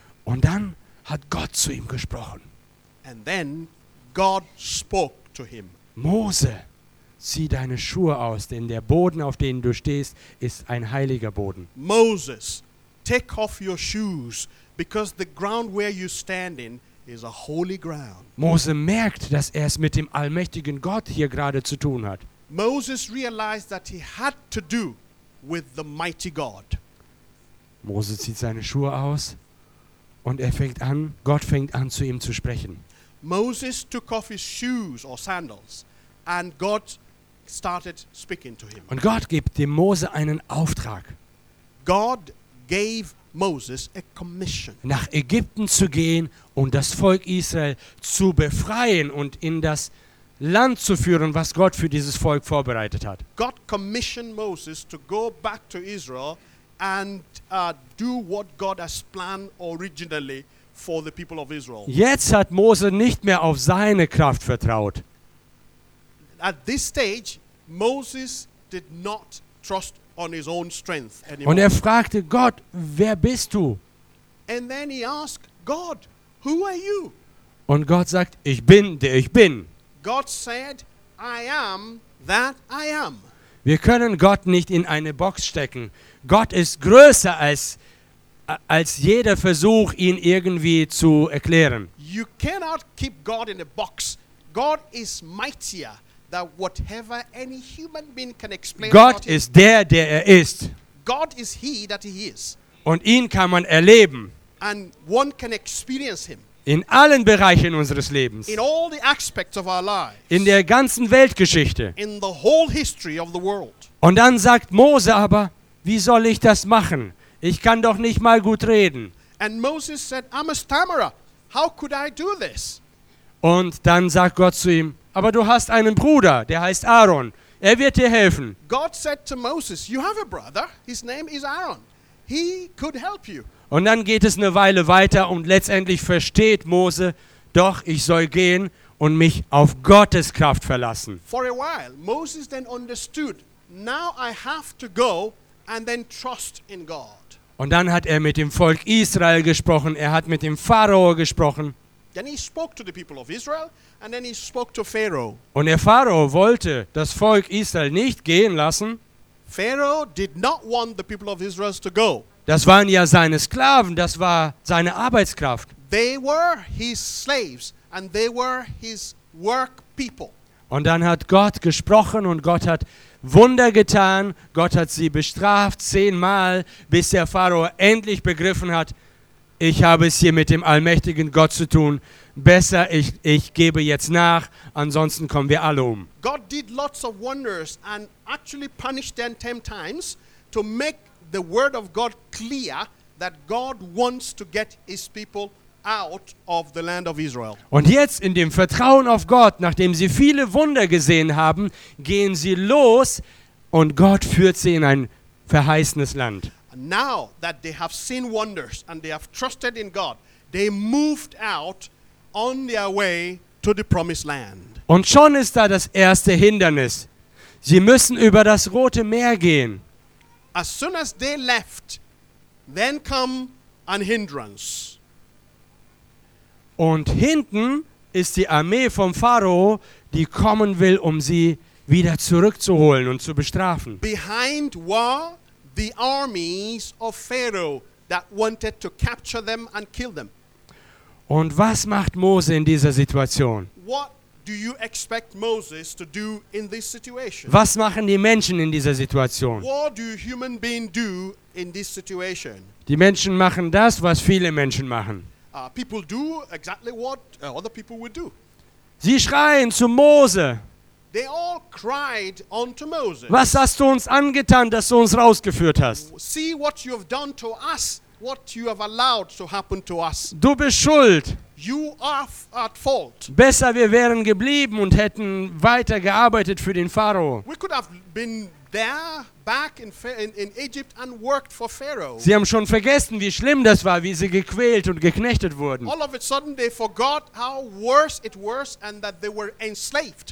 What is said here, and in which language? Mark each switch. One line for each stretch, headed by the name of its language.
German: Und dann hat Gott zu ihm gesprochen.
English: And then God spoke to him.
German: Mose, zieh deine Schuhe aus, denn der Boden, auf dem du stehst, ist ein heiliger Boden.
English: Moses, take off your shoes, because the ground where you stand in is a holy ground.
German: Mose merkt, dass er es mit dem allmächtigen Gott hier gerade zu tun hat.
English: Moses realized that he had to do with the mighty God.
German: Mose zieht seine Schuhe aus und er fängt an, Gott fängt an zu ihm zu sprechen.
English: Moses took off his shoes or sandals and God started speaking to him.
German: Und Gott gibt dem Mose einen Auftrag.
English: God gave Moses a commission.
German: Nach Ägypten zu gehen und das Volk Israel zu befreien und in das Land zu führen, was Gott für dieses Volk vorbereitet hat.
English: God commissioned Moses to go back to Israel and do what God has planned originally for the people of Israel.
German: Jetzt hat Mose nicht mehr auf seine Kraft vertraut.
English: At this stage, Moses did not trust on his own strength anymore.
German: Und er fragte Gott, wer bist du?
English: And then he asked God, who are you?
German: Und Gott sagt, ich bin, der ich bin.
English: God said, I am that I am.
German: Wir können Gott nicht in eine Box stecken. Gott ist größer als jeder Versuch, ihn irgendwie zu erklären.
English: You cannot keep God in a box. God is mightier that whatever any human being can explain, God is there,
German: der er ist.
English: God is he that he is.
German: Und ihn kann man erleben.
English: And one can experience him.
German: In allen Bereichen unseres Lebens.
English: In all the aspects of our lives.
German: In der ganzen Weltgeschichte.
English: In the whole history of the world.
German: Und dann sagt Mose aber, wie soll ich das machen? Ich kann doch nicht mal gut reden.
English: And Moses said, I'm a stammerer. How could I do this?
German: Und dann sagt Gott zu ihm, aber du hast einen Bruder, der heißt Aaron. Er wird dir helfen.
English: God said to Moses, you have a brother, his name is Aaron. He could help you.
German: Und dann geht es eine Weile weiter und letztendlich versteht Mose, doch ich soll gehen und mich auf Gottes Kraft verlassen.
English: For a while, Moses then understood, now I have to go and then trust in God.
German: Und dann hat er mit dem Volk Israel gesprochen, er hat mit dem Pharao gesprochen.
English: Then he spoke to the people of Israel and then he spoke to Pharaoh.
German: Und der Pharao wollte das Volk Israel nicht gehen lassen.
English: Pharaoh did not want the people of Israel to go.
German: Das waren ja seine Sklaven, das war seine Arbeitskraft.
English: They were his slaves and they were his work people.
German: Und dann hat Gott gesprochen und Gott hat Wunder getan. Gott hat sie bestraft 10-mal, bis der Pharao endlich begriffen hat, ich habe es hier mit dem allmächtigen Gott zu tun. Besser, ich gebe jetzt nach, ansonsten kommen wir alle um.
English: God did lots of wonders and actually punished them 10 times to make the word of God clear that God wants to get his people out of the land of Israel.
German: Und jetzt in dem Vertrauen auf Gott, nachdem sie viele Wunder gesehen haben, gehen sie los und Gott führt sie in ein verheißenes Land.
English: And now that they have seen wonders and they have trusted in God, they moved out on their way to the promised land.
German: Und schon ist da das erste Hindernis. Sie müssen über das Rote Meer gehen.
English: As soon as they left, then come an hindrance.
German: Und hinten ist die Armee vom Pharao, die kommen will, um sie wieder zurückzuholen und zu bestrafen.
English: Behind were the armies of Pharaoh that wanted to capture them and kill them.
German: Und was macht Mose in dieser Situation?
English: What do you expect Moses to do in this situation?
German: Was machen die Menschen in dieser Situation?
English: What do human beings do in this situation?
German: Die Menschen machen das, was viele Menschen machen.
English: People do exactly what other people would do.
German: Sie schreien zu Mose.
English: They all cried unto Moses.
German: Was hast du uns angetan, dass du uns rausgeführt hast?
English: See what you have done to us, what you have allowed to happen to us.
German: Du bist schuld.
English: You are at fault.
German: Besser wir wären geblieben und hätten weiter gearbeitet für den Pharao.
English: We could have been there back in Egypt and worked for Pharaoh.
German: Sie haben schon vergessen, wie schlimm das war, wie sie gequält und geknechtet wurden.
English: All of a sudden they forgot how worse it was and that they were enslaved.